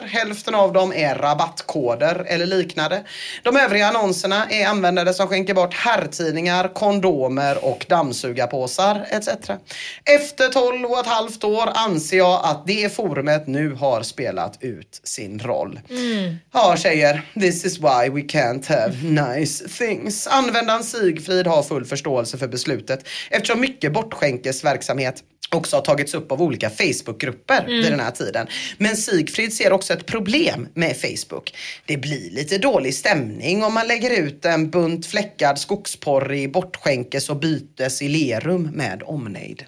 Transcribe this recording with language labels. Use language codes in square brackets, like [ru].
[sv] Hälften av dem är rabattkoder eller liknande. De övriga annonserna är användare som skänker bort herrtidningar, kondomer och dammsugarpåsar etc. Efter 12 och ett halvt år anser jag att det forumet nu har spelat ut sin roll. Mm. Ja, tjejer, [en] this is why we can't have nice things. [sv] Användaren Sigfrid har full förståelse för beslutet eftersom mycket bortskänkesverksamhet också har tagits upp av olika Facebookgrupper vid den här tiden. Men Sigfrid ser också ett problem med Facebook. Det blir lite dålig stämning om man lägger ut en bunt fläckad skogsporr i bortskänkes och bytes i Lerum med omnejd.